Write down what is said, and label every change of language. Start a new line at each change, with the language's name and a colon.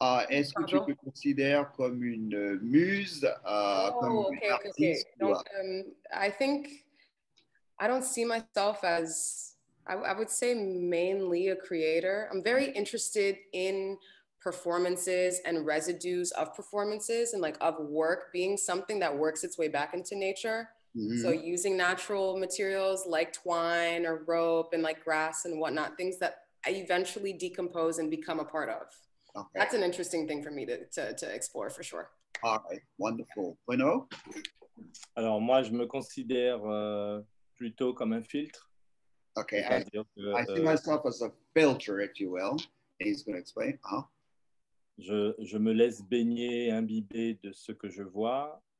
French: Est-ce que tu te considères comme une muse, comme une artiste?
English: Okay. Donc, I think I don't see myself as, I would say mainly a creator. I'm very interested in performances and residues of performances and like of work being something that works its way back into nature. So using natural materials like twine or rope and like grass and whatnot, things that I eventually decompose and become a part of. Okay. That's an interesting thing for me to explore for sure. All right, wonderful. Bruno?
French: Alors moi, je me considère plutôt comme un filtre.
English: Okay, I see myself as a filter, if you will. He's going to explain.
French: Je me laisse baigner, imbiber de ce que je vois.